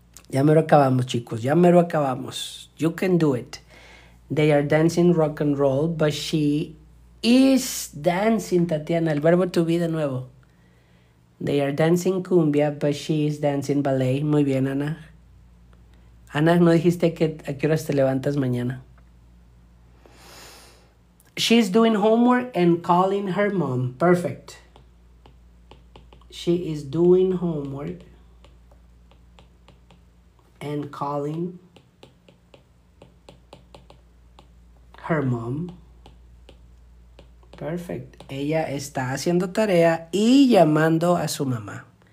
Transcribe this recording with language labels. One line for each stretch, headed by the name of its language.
Spanish: Ya mero acabamos, chicos. Ya mero acabamos.
English: You can do it. They are dancing rock and roll, but she is dancing, Tatiana.
Spanish: El verbo to be de nuevo.
English: They are dancing cumbia, but she is dancing ballet.
Spanish: Muy bien, Ana. Ana, ¿no dijiste a qué horas te levantas mañana?
English: She's doing homework and calling her mom. Perfect. She is doing homework and calling her mom. Perfect.
Spanish: Ella está haciendo tarea y llamando a su mamá.